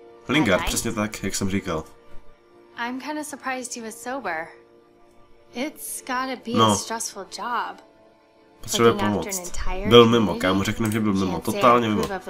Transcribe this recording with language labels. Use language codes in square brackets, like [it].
[cs] Lingard, přesně tak, jak jsem říkal. [en] I'm kind of surprised he was sober. It's gotta be a stressful job. [cs] Potřebuje pomoc. Byl mimo, kámo, řekneme, že byl mimo, totálně mimo.